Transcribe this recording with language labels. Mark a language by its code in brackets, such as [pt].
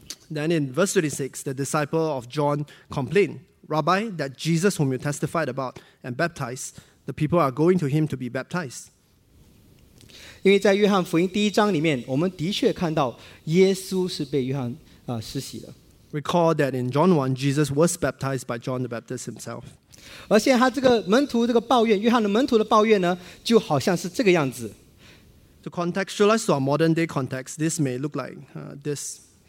[en] Then in verse 36, the disciple of John complained, Rabbi, that Jesus whom you testified about and baptized, the people are going to him to be baptized. [zh] 因为在约翰福音第一章里面，我们的确看到耶稣是被约翰施洗的。 [en] Recall that in John 1, Jesus was baptized by John the Baptist himself. [zh] 而且他这个门徒这个抱怨，约翰的门徒的抱怨呢，就好像是这个样子。 [en] To contextualize to our modern day context, this may look like this.